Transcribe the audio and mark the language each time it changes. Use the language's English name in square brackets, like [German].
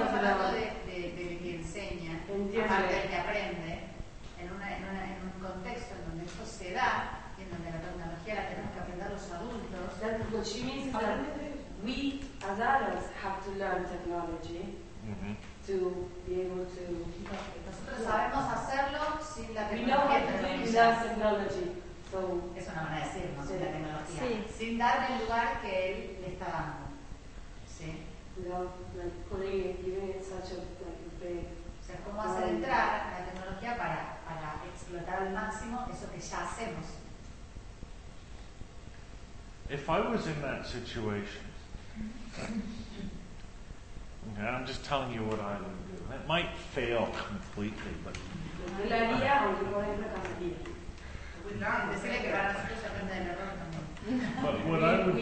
[Spanish] El de que enseña, aparte del que aprende, en un contexto en donde esto se da, y en donde la tecnología la tenemos que aprender los adultos. [English] That, what she means is that we, as adults, have to learn technology to be able to... [Spanish] Nosotros sabemos hacerlo sin la tecnología. [English] We know how to do it without technology. So, [Spanish] es una manera de decir, ¿no? Sin la tecnología. Sí. Sin darle el lugar que él le está dando. Sí. [English] Without, like, putting it, giving it such a, like, big... [Spanish] O sea, ¿cómo hacer entrar la tecnología para explotar al máximo eso que ya hacemos? [English] If I was in that situation, okay, I'm just telling you what I would do. It might fail completely, but... But what I would...